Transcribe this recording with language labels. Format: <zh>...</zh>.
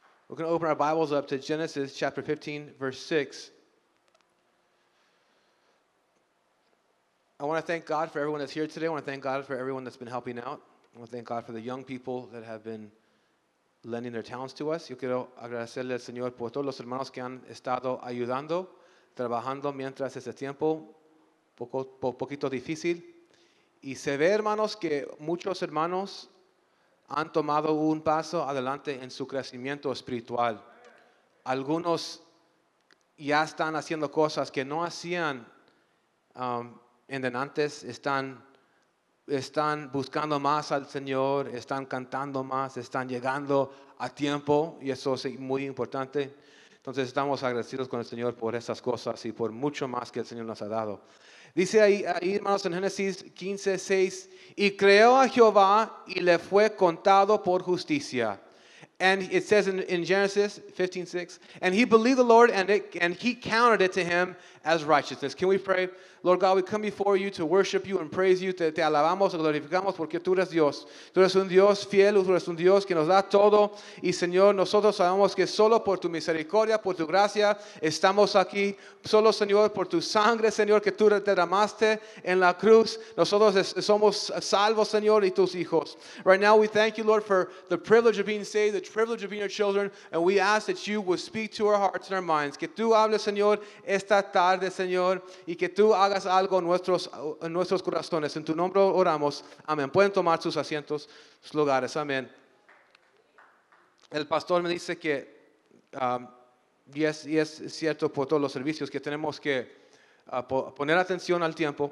<en>We're going to open our Bibles up to Genesis chapter 15, verse 6. I want to thank God for everyone that's here today. I want to thank God for everyone that's been helping out. I want to thank God for the young people that have been lending their talents to us.</en> <es>Yo quiero agradecerle al Señor por todos los hermanos que han estado ayudando, trabajando mientras este tiempo poquito difícil. Y se ve, hermanos, que muchos hermanos han tomado un paso adelante en su crecimiento espiritual. Algunos ya están haciendo cosas que no hacían en antes. Están buscando más al Señor, están cantando más, están llegando a tiempo, y eso es muy importante. Entonces estamos agradecidos con el Señor por esas cosas y por mucho más que el Señor nos ha dado. Dice ahí, hermanos, en Génesis 15:6, y creó a Jehová y le fue contado por justicia.</es> <en>And it says in Genesis 15:6, and he believed the Lord and he counted it to him as righteousness. Can we pray? Lord God, we come before you to worship you and praise you.</en> <es>Te alabamos y glorificamos porque tú eres Dios. Tú eres un Dios fiel, tú eres un Dios que nos da todo. Y Señor, nosotros sabemos que solo por tu misericordia, por tu gracia, estamos aquí. Solo, Señor, por tu sangre, Señor, que tú derramaste en la cruz. Nosotros somos salvos, Señor, y tus hijos.</es> <en>Right now, we thank you, Lord, for the privilege of being saved, the privilege of being your children. And we ask that you would speak to our hearts and our minds.</en> <es>Que tú hables, Señor, esta tarde, Señor, y que tú hagas algo en nuestros corazones. En tu nombre oramos. Amén. Pueden tomar sus asientos, sus lugares. Amén. El pastor me dice que, y es cierto por todos los servicios, que tenemos que poner atención al tiempo.</es>